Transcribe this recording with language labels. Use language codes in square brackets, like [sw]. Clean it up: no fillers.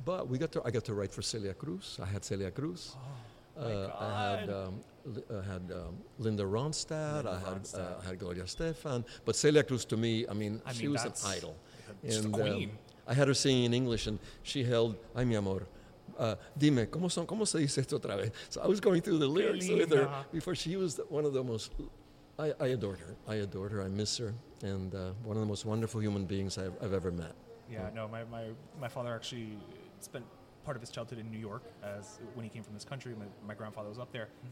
[en] But I got to write for Celia Cruz. I had Celia Cruz. Oh, my God. I had Linda Ronstadt. I had Gloria Estefan. But Celia Cruz, to me, she was an idol. She's a queen. I had her singing in English, and she held, [es] Ay, mi amor. Dime, ¿cómo se dice esto otra vez? [en] So I was going through the lyrics with her before. She was one of the most... I adored her. I miss her. And one of the most wonderful human beings I've ever met. My father actually spent part of his childhood in New York when he came from this country. My grandfather was up there.